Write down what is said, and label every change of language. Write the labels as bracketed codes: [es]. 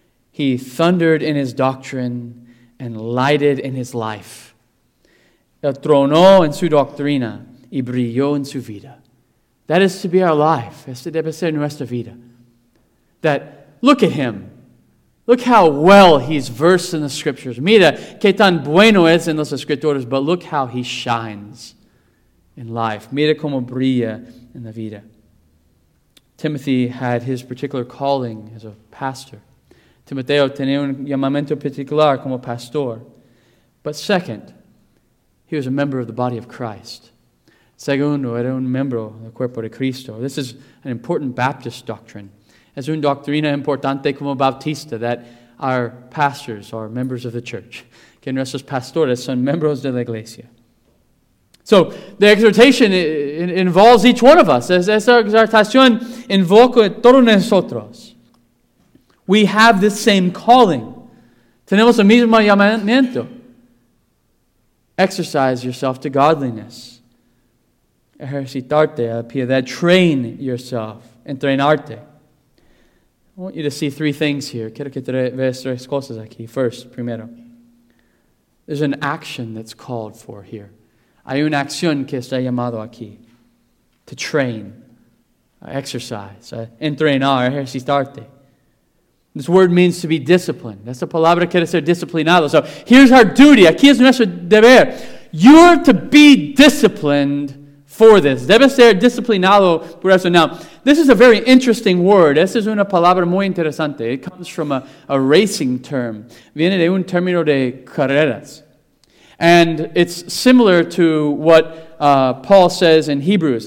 [en] He thundered in his doctrine and lighted in his life. [es] El tronó en su doctrina y brilló en su vida. [en] That is to be our life. [es] Este debe ser nuestra vida. [en] That, look at him. Look how well he's versed in the scriptures. [es] Mira qué tan bueno es en los escritores, [en] but look how he shines in life. [es] Mira cómo brilla en la vida. [en] Timothy had his particular calling as a pastor. [es] Timoteo tenía un llamamiento particular como pastor. [en] But second, he was a member of the body of Christ. [es] Segundo, era un miembro del cuerpo de Cristo. [en] This is an important Baptist doctrine. [es] Es una doctrina importante como Bautista, [en] that our pastors are members of the church. [es] Que nuestros pastores son miembros de la iglesia. [en] So, the exhortation involves each one of us. [es] Esa exhortación invoca a todos nosotros. [en] We have the same calling. [es] Tenemos el mismo llamamiento. [en] Exercise yourself to godliness. [es] Ejercitarte a piedad. [en] Train yourself. [es] Entrenarte. [en] I want you to see three things here. [es] Quiero que veas tres cosas aquí. [en] First, primero. There's an action that's called for here. [es] Hay una acción que está llamado aquí. [en] To train. Exercise. [es] Entrenar. Ejercitarte. [en] This word means to be disciplined. [es] Esa palabra quiere ser disciplinado. [en] So here's our duty. [es] Aquí es nuestro deber. [en] You're to be disciplined for this. [es] Debe ser disciplinado por eso. [en] Now, this is a very interesting word. [es] Esa es una palabra muy interesante. [en] It comes from a racing term. [es] Viene de un término de carreras. [en] And it's similar to what Paul says in Hebrews.